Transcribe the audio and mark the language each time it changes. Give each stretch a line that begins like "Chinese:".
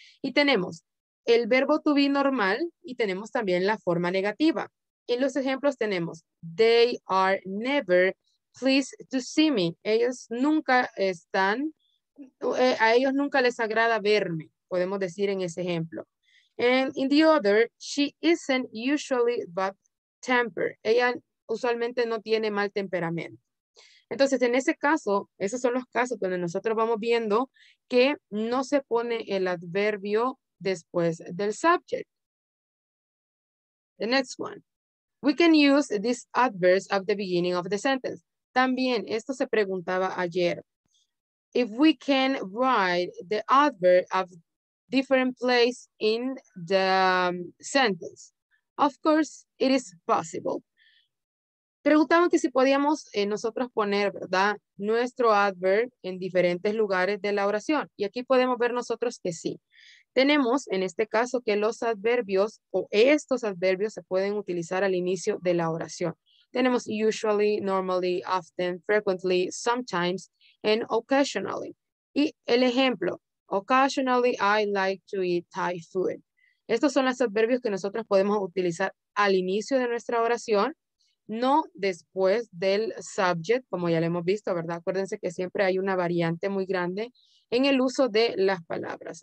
Spanish: Y tenemos el verbo to be normal y tenemos también la forma negativa. En los ejemplos tenemos,
English: they are never pleased to see me.
Spanish: Ellos nunca están, a ellos nunca les agrada verme, podemos decir en ese ejemplo.
English: And in the other, she isn't usually bad tempered.
Spanish: Ella usualmente no tiene mal temperamento. Entonces, en ese caso, esos son los casos donde nosotros vamos viendo que no se pone el adverbio después del subject.
English: The next one. We can use this adverb at the beginning of the sentence.
Spanish: También, esto se preguntaba ayer.
English: If we can write the adverb at different place in the sentence. Of course, it is possible.
Spanish: Preguntaban que si podíamos nosotros poner, ¿verdad?, nuestro adverb en diferentes lugares de la oración. Y aquí podemos ver nosotros que sí. Tenemos en este caso que los adverbios o estos adverbios se pueden utilizar al inicio de la oración. Tenemos usually, normally, often, frequently, sometimes, and occasionally. Y el ejemplo,
English: occasionally I like to eat Thai food.
Spanish: Estos son los adverbios que nosotros podemos utilizar al inicio de nuestra oración, no después del subject, como ya lo hemos visto, ¿verdad? Acuérdense que siempre hay una variante muy grande en el uso de las palabras.